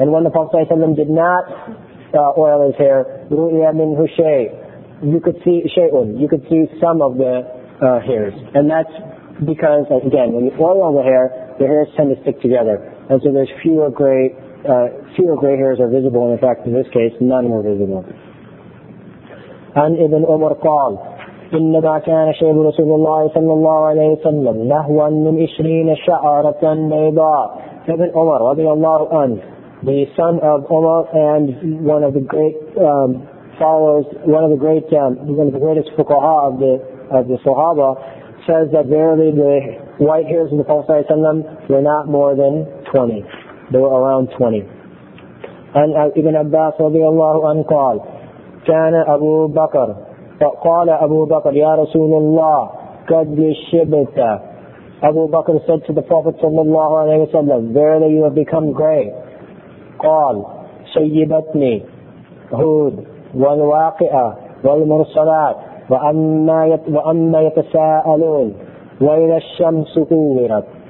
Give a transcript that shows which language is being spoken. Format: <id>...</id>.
<en>And when the Prophet صلى الله عليه وسلم did not oil his hair,</en> <ar>رُؤِيَ مِنْهُ شَيْءٍ.</ar> <en>You could see شَيْءٌ. You could see some of the hairs. And that's because, again, when you oil the hairs tend to stick together. And so there's fewer gray hairs are visible. And in fact, in this case, none were visible. And Ibn Umar qal,</en> <ar>إِنَّمَا كَانَ شَيْبُ رَسُولُ اللَّهِ صَلَّى اللَّهُ عَلَيْهِ وَسَلَّمْ لَهْوًا مِنْ إِشْرِينَ شَعَرَةً بَيْضًا.</ar> <en>Ibn Umar,</en> <ar>رضي الله عنه,</ar> <en>the son of Umar and one of the great followers, one of the greatest fuqaha of the Sahaba, says that verily the white hairs of the Prophet ﷺ were not more than 20. They were around 20. And Ibn Abbas radiallahu anhu qal,</en> <ar>كَانَ أَبُو بَكَرٍ فَقَالَ أَبُو بَكَرٍ يَا رَسُولُ اللَّهِ قَدْ يَشِبْتَ.</ar> <en>Abu Bakr said to the Prophet ﷺ, verily you have become gray.</en> <ar>قال شَيِّبَتْنِي هُود وَالْوَاقِعَ وَالْمُرْسَلَاتِ وَأَمَّا يَتَسَاءَلُونَ وَإِذَا الشَّمْسُ كُوِّرَتْ.</ar>